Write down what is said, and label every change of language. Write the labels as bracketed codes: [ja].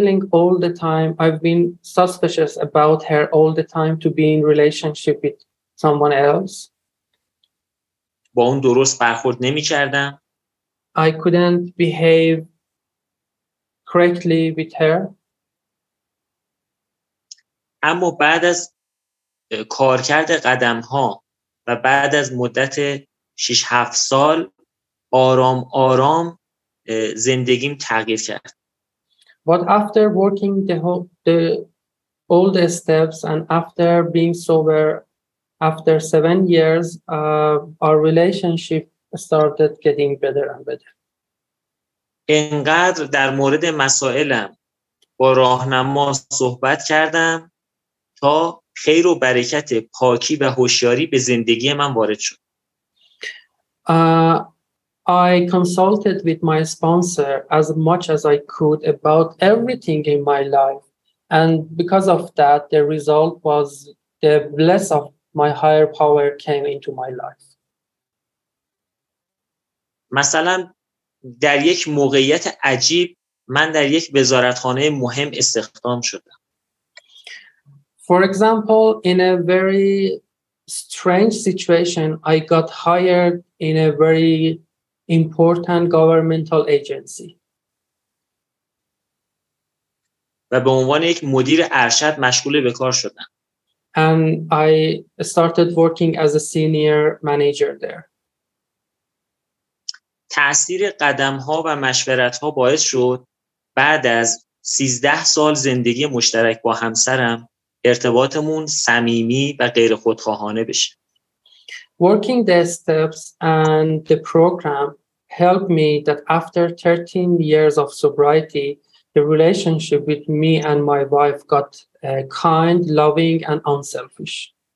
[en] I've been suspicious about her all the time to be in relationship with someone else. [fa] با اون درست برخورد نمی‌کردم. [en] I couldn't behave correctly with her. [fa] اما بعد از کارکرد قدم‌ها و بعد از مدت 6-7 سال آرام آرام زندگیم تغییر کرد. [en] But after working the steps and after being sober after 7 years our relationship started getting better and better. [fa] انقدر در مورد مسائلم با راهنما صحبت کردم تا خیر و برکت پاکی و هوشیاری به زندگی من وارد شد. [en] I consulted with my sponsor as much as I could about everything in my life and because of that the result was the bless of my higher power came into my life. [fa] مثلا در یک موقعیت عجیب من در یک وزارتخانه مهم استخدام شدم. [en] For example, in a very strange situation, I got hired in a very important governmental agency. [fa] و به عنوان یک مدیر ارشد مشغول به کار شدم. [en] And I started working as a senior manager there. [fa] تأثیر قدم‌ها و مشورت‌ها باعث شد بعد از 13 سال زندگی مشترک با همسرم ارتباطمون صمیمی و غیر خودخواهانه بشه. [en] Working the steps and the program helped me that after 13 years of sobriety, the relationship with me and my wife got kind, loving and unselfish.